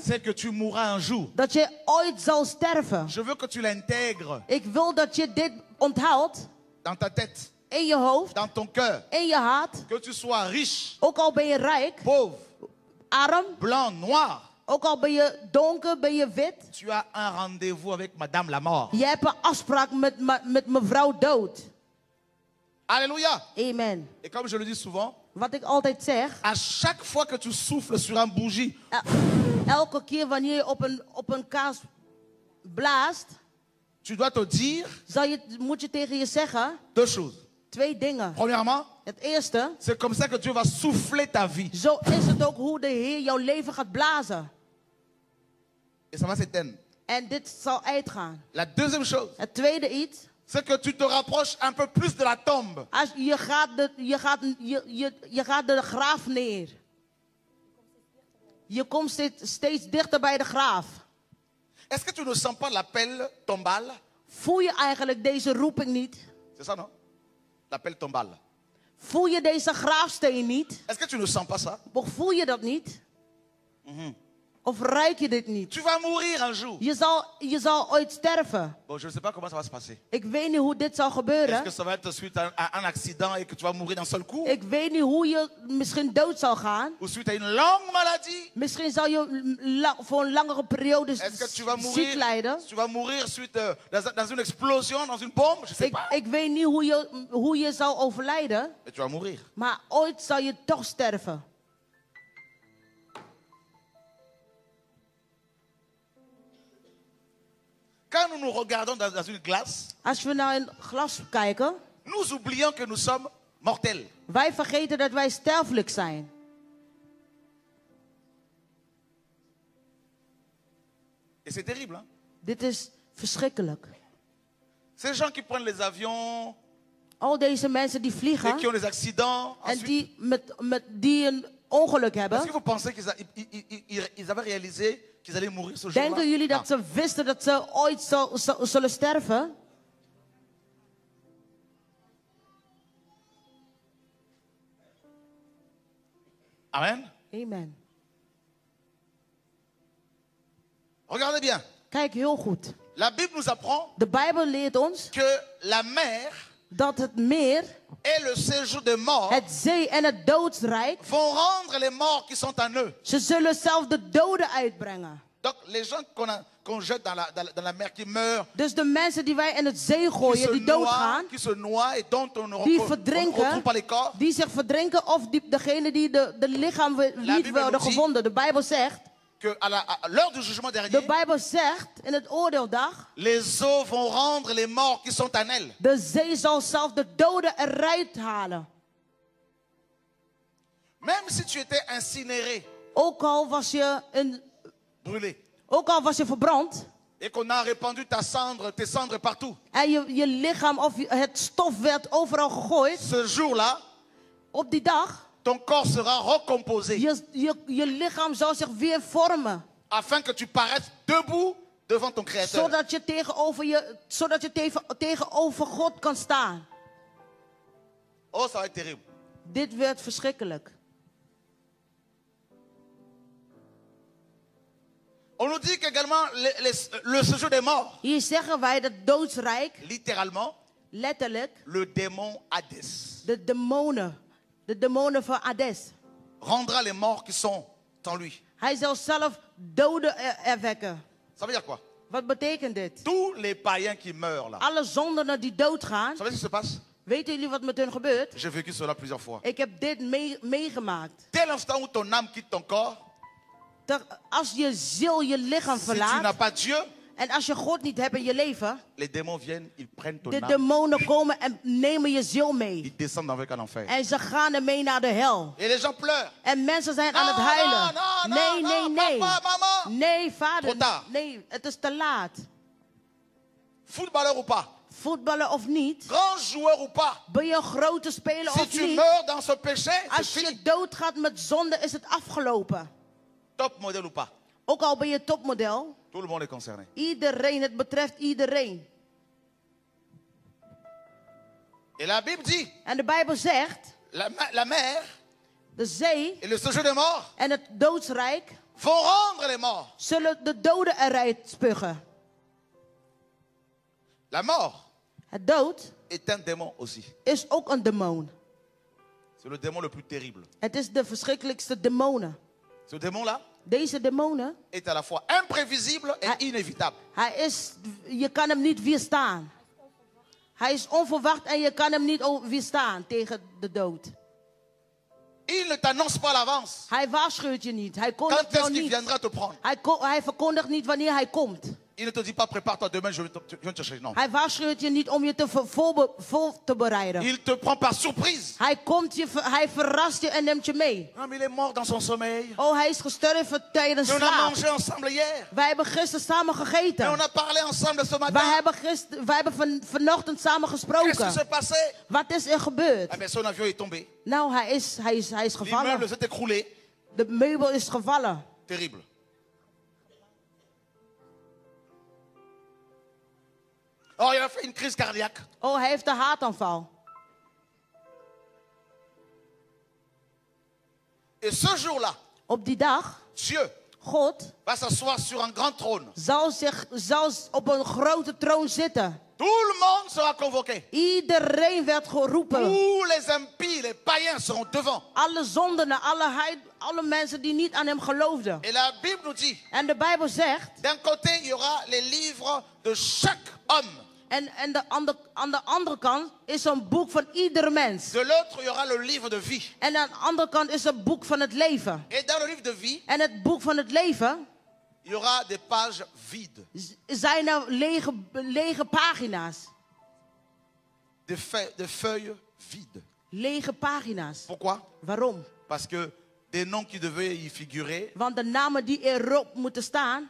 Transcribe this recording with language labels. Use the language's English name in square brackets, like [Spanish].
[French] C'est que tu mourras un jour. [Dutch] Dat je ooit zal sterven. [French] Je veux que tu l'intègres. [Dutch] Ik wil dat je dit onthoudt. [French] Dans ta tête. [Dutch] In je hoofd. [French] Dans ton cœur. [Dutch] In je hart. [French] Que tu sois riche. [Dutch] Ook al ben je rijk. [French] Pauvre. [Dutch] Arm. [French] Blanc, noir. [Dutch] Ook al ben je donker, ben je wit. [French] Tu as un rendez-vous avec Madame la Mort. [Dutch] Je hebt een afspraak met mevrouw Dood. Alléluia. Amen. [French] Et comme je le dis souvent. [Dutch] Wat ik altijd zeg. [French] À chaque fois que tu souffles sur un bougie. [Dutch] Elke keer wanneer je op een kaas blaast. [French] Tu dois te dire. [Dutch] Moet je tegen je zeggen. [French] Deux choses. [Dutch] Twee dingen. [French] Premièrement, [Dutch] het eerste. [French] C'est comme ça que Dieu va souffler ta vie. [Dutch] Zo is het ook hoe de Heer jouw leven gaat blazen. [French] Et ça va s'éteindre. [Dutch] En dit zal uitgaan. [French] La deuxième chose. [Dutch] Het tweede iets. [French] C'est que tu te rapproches un peu plus de la tombe. [Dutch] Als je gaat de graaf neer. Je komt steeds dichter bij de graaf. [French] Est-ce que tu ne sens pas l'appel tombal? [Dutch] Voel je eigenlijk deze roeping niet? [French] C'est ça, non? L'appel tombal. [Dutch] Voel je deze graafsteen niet? [French] Est-ce que tu ne sens pas ça? [Dutch] Of voel je dat niet? Mm-hmm. Of ruik je dit niet? [French] Tu vas mourir un jour. [Dutch] Je zal ooit sterven. [French] Bon, je sais pas comment ça va se passer. [Dutch] Ik weet niet hoe dit zal gebeuren. [French] Est-ce que ça va être suite à un accident et que tu vas mourir d'un seul coup? [Dutch] Ik weet niet hoe je misschien dood zal gaan. [French] Ou suite à une longue maladie? [Dutch] Misschien zal je voor een langere periode ziek lijden. [French] Tu vas mourir suite dans une explosion, dans une bombe, je sais [Dutch] ik, [French] pas. [Dutch] Ik weet niet hoe je zal overlijden. [French] Et tu vas mourir. [Dutch] Maar ooit zal je toch sterven. [French] Quand nous nous regardons dans une glace, [Dutch] als we naar een glas kijken, [French] nous oublions que nous sommes mortels. [Dutch] Wij vergeten dat wij sterfelijk zijn. [French] Et c'est terrible, hein? [Dutch] Dit is verschrikkelijk. [French] Ces gens qui prennent les avions, [Dutch] al deze mensen die vliegen, [French] et qui ont des accidents, [Dutch] en ensuite, die een ongeluk hebben. [French] Est-ce que vous pensez qu'ils avaient réalisé? [Dutch] Denken jullie dat ze wisten dat ze ooit zullen sterven? Amen. Amen. [French] Regardez bien. [Dutch] Kijk heel goed. [French] La Bible nous apprend. [Dutch] De Bijbel leert ons. [French] Que la mer. [Dutch] Dat het meer. [French] Et le séjour des morts. [Dutch] Het zee en het doodsrijk. [French] Vont rendre les morts qui sont en eux. [Dutch] Ze zullen zelf de doden uitbrengen. [French] Donc les gens qu'on jette dans la mer qui meurt. [Dutch] Dus de mensen die wij in het zee gooien, die doodgaan. [French] Qui se noient et dont on ne retrouve pas les corps. [Dutch] Die zich verdrinken of degene die de lichaam niet worden gevonden. De Bijbel zegt. [French] Que à l'heure du jugement dernier. [Dutch] De Bijbel zegt in het oordeeldag. [French] Les eaux vont rendre les morts qui sont en elles. [Dutch] De zee zal zelf de doden eruit halen. [French] Même si tu étais incinéré. [Dutch] Ook al was je een [French] brûlé. [Dutch] Ook al was je verbrand. [French] Et qu'on a répandu ta cendre, tes cendres partout. [Dutch] En je lichaam of het stof werd overal gegooid. [French] Ce jour-là, [Dutch] op die dag. [French] Ton corps sera recomposé. [Dutch] Je lichaam zal zich weer vormen. [French] Afin que tu paraisses debout devant ton créateur. [Dutch] Zodat je tegenover God kan staan. [French] Oh, ça va être terrible. [Dutch] Dit werd verschrikkelijk. [French] On nous dit également le séjour des morts. [Dutch] Hier zeggen wij dat doodsrijk. [French] Littéralement. [Dutch] Letterlijk. [French] Le démon Hades. [Dutch] De demonen van Hades. [French] Rendra les morts qui sont en lui. [Dutch] Hij zal zelf doden erwekken. [French] Ça veut dire quoi? [Dutch] Wat betekent dit? [French] Tous les païens qui meurent là. [Dutch] Alle zondenen die doodgaan. [French] Ça veut dire ce qui se passe? [Dutch] Weten jullie wat met hun gebeurt? [French] J'ai vécu cela plusieurs fois. [Dutch] Ik heb dit meegemaakt. [French] Dès l'instant où ton âme quitte ton corps. [Dutch] Als je ziel je lichaam verlaat. [French] Si tu n'as pas Dieu, [Dutch] en als je God niet hebt in je leven. [French] Les démons viennent, ils prennent ton [Dutch] de [French] âme. [Dutch] Demonen komen en nemen je ziel mee. [French] Ils descendent avec un enfer. [Dutch] En ze gaan ermee naar de hel. [French] Et les gens pleurent. [Dutch] En mensen zijn aan het huilen. Nee. Papa, mama. Nee, vader. Nee, het is te laat. [French] Footballeur ou pas? [Dutch] Voetballen of niet. [French] Grand joueur ou pas. [Dutch] Ben je een grote speler [French] si [Dutch] of [French] tu [Dutch] niet. [French] Meurs dans ce péché, [Dutch] als [French] fini. [Dutch] Je doodgaat met zonde is het afgelopen. [French] Top model ou pas. [Dutch] Ook al ben je topmodel. [French] Tout le monde est concerné. [Dutch] Iedereen, het betreft iedereen. [French] Et la Bible dit, [Dutch] en de Bijbel zegt. [French] La mer. [Dutch] De zee. [French] Et le séjour des morts. [Dutch] En het doodsrijk. [French] Vont rendre les morts. [Dutch] Zullen de doden eruit spugen. [French] La mort. [Dutch] Het dood. [French] Est un démon aussi. [Dutch] Is ook een demon. [French] C'est le démon le plus terrible. [Dutch] Het is de verschrikkelijkste demonen. [French] Ce démon là. [Dutch] Deze demonen. [French] Est à la fois imprévisible et inévitable. [Dutch] Hij is, je kan hem niet weerstaan. Hij is onverwacht en je kan hem niet weerstaan tegen de dood. [French] Il ne t'annonce pas l'avance. [Dutch] Hij waarschuwt je niet. Hij kondigt jou niet. [French] Viendra te prendre. [Dutch] Hij verkondigt niet wanneer hij komt. [French] Il ne te dit pas prépare-toi demain, je vais te chercher. [Dutch] Hij waarschuwt je niet om je te voor te bereiden. [French] Il te prend par surprise. [Dutch] Hij verrast je en neemt je mee. [French] Non, mais il est mort dans son sommeil. [Dutch] Oh, hij is gestorven tijdens slaap. [French] On a mangé ensemble hier. [Dutch] Wij hebben gisteren samen gegeten. [French] Et on a parlé ensemble ce matin. [Dutch] Wij hebben vanochtend samen gesproken. [French] Qu'est-ce qui s'est passé? [Dutch] Wat is er gebeurd? [French] Ah, mais son avion est tombé. [Dutch] Nou, hij is gevallen. [French] L'immeuble s'est écroulé. [Dutch] De meubel is gevallen. [French] Terrible. Oh, il a fait une crise cardiaque. [Dutch] Oh, hij heeft een hartaanval. [French] Et ce jour-là, [Dutch] op die dag, [French] Dieu, [Dutch] God, [French] va s'asseoir sur un grand trône. [Dutch] Zal op een grote troon zitten. [French] Tout le monde sera convoqué. [Dutch] Iedereen werd geroepen. [French] Tous les impies, les païens seront devant. [Dutch] Alle zondenen, alle mensen die niet aan hem geloofden. [French] Et la Bible nous dit, [Dutch] en de Bijbel zegt, [French] d'un côté, il y aura les livres de chaque homme. [Dutch] En aan de andere kant is een boek van ieder mens. [French] De l'autre, il y aura le livre de vie. [Dutch] En aan de andere kant is een boek van het leven. [French] Et dans le livre de vie, [Dutch] en het boek van het leven. [French] Il y aura des pages vides. [Dutch] Zijn er lege pagina's? [French] De feuilles vides. [Dutch] Lege pagina's. [French] Pourquoi? [Dutch] Waarom? [French] Parce que des noms qui devaient y figurer. [Dutch] Want de namen die erop moeten staan.